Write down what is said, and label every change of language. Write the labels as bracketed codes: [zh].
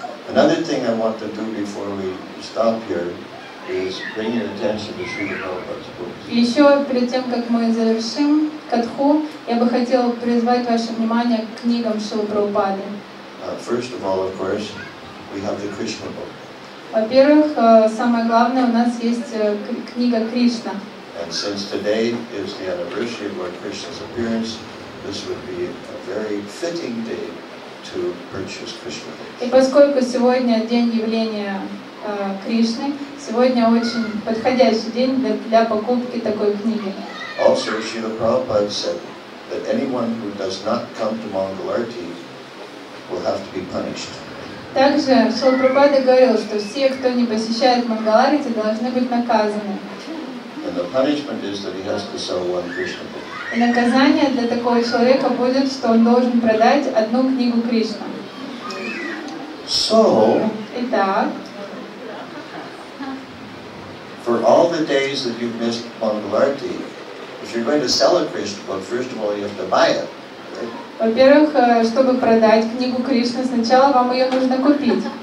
[en] Another thing I want to do before we stop here is bring your attention to Srila Prabhupada's books. [ru] Еще перед тем, как мы завершим катху, я бы хотела призвать ваше внимание к книгам Шрилы Прабхупады. [en] First of all, of course, we have the Krishna book. [ru] Во-первых, самое главное, у нас есть книга Кришна. [en] And since today is the anniversary of Lord Krishna's appearance, this would be a very fitting day to purchase Krishna books. [ru] И поскольку сегодня день явления Кришны, сегодня очень подходящий день для покупки такой книги. [en] Also, Srila Prabhupada said that anyone who does not come to Mangalarti will have to be punished. [ru] Также Шрила Прабхупада говорил, что все, кто не посещает Мангаларти, должны быть наказаны. [en] And the punishment is that he has to sell one Krishna book. [ru] И наказание для такого человека будет, что он должен продать одну книгу Кришна. [en] So. [ru] Итак. [en] For all the days that you've missed Mangalarti, if you're going to sell a Krishna book, first of all, you have to buy it. Right? [ru] Во-первых, чтобы продать книгу Кришны, сначала вам ее нужно купить.